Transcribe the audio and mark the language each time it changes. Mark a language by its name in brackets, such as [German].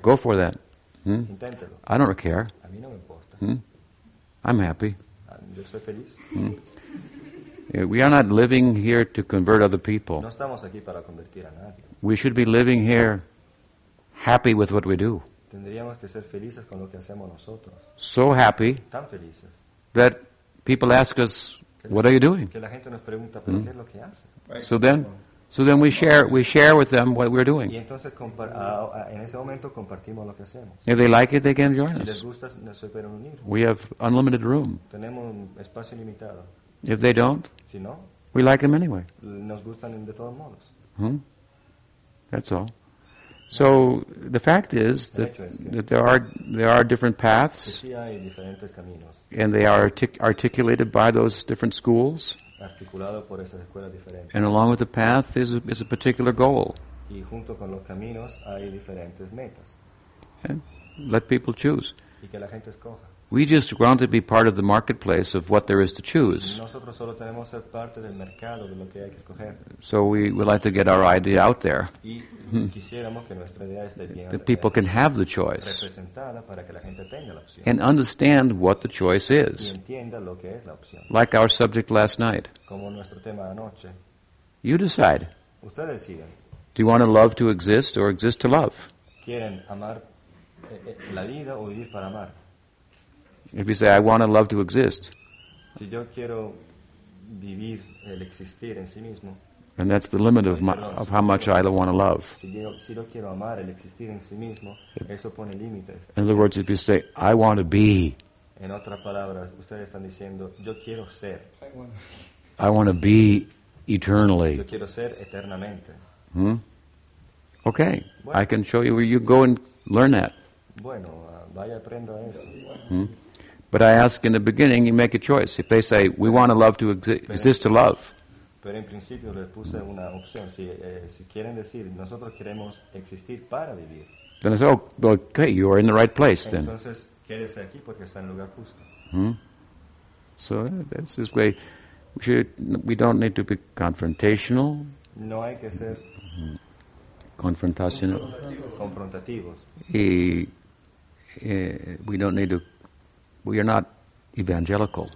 [English] Go for that. [Spanish] Inténtelo. [English] I don't care. [Spanish] A mí no me importa. [English] I'm happy. [Spanish] Yo soy feliz. [English] We are not living here to convert other people. [Spanish] No estamos aquí para convertir a nadie. [English] We should be living here happy with what we do. [Spanish] Tendríamos que ser felices con lo que hacemos nosotros. [English] So happy. [Spanish] Tan felices. [English] That people ask us, what are you doing? [Spanish] Que la gente nos pregunta, pero ¿qué es lo que hace? [English] So then we share with them what we're doing. [Spanish] Y entonces en ese momento compartimos lo que hacemos. [English] If they like it, they can join us. [Spanish] Si les gusta, no se pueden unir. [English] We have unlimited room. [Spanish] Tenemos un espacio limitado. [English] If they don't, [Spanish] si no, [English] we like them anyway. [Spanish] Nos gustan de todos modos. [English] That's all. So the fact is that there are different paths, [Spanish] que sí hay diferentes caminos, [English] and they are articulated by those different schools. [Spanish] Articulado por esas escuelas diferentes. [English] And along with the path is a particular goal. [Spanish] Y junto con los caminos hay diferentes metas. [English] And let people choose. [Spanish] Y que la gente escoja. [English] We just want to be part of the marketplace of what there is to choose. [Spanish] Nosotros solo tenemos ser parte del mercado de lo que hay que escoger. [English] So we would like to get our idea out there. [Spanish] Y quisiéramos que nuestra idea esté bien. [English] That people can have the choice. [Spanish] Representada para que la gente tenga la opción. [English] And understand what the choice is. [Spanish] Y entienda lo que es la opción. [English] Like our subject last night. [Spanish] Como nuestro tema anoche. [English] You decide. [Spanish] Usted decide. [English] Do you want to love to exist or exist to love? [Spanish] ¿Quieren amar la vida o vivir para amar? [English] If you say, I want to love to exist. [Spanish] Si yo quiero vivir el existir en sí mismo, [English] and that's the limit of how much I want to love. [Spanish] Si yo quiero amar el existir en sí mismo, eso pone límites. [English] In other words, if you say, I want to be. [Spanish] En otras palabras, ustedes están diciendo, yo quiero ser. [English] I want to be eternally. [Spanish] Yo quiero ser eternamente. [English] Okay. Bueno. I can show you where you go and learn that. [Spanish] Bueno, vaya aprenda eso. [English] But I ask in the beginning, you make a choice. If they say, we want to love to exist to love. [Spanish] Pero en principio les puse una opción. Si quieren decir, nosotros queremos existir para vivir. [English] Then I say, oh, okay, you are in the right place then. [Spanish] Entonces, quédese aquí porque está en el lugar justo. [English] So that's this way. We don't need to be confrontational. [Spanish] No hay que ser confrontacional. Confrontativos. [English] We don't need to. We are not evangelical.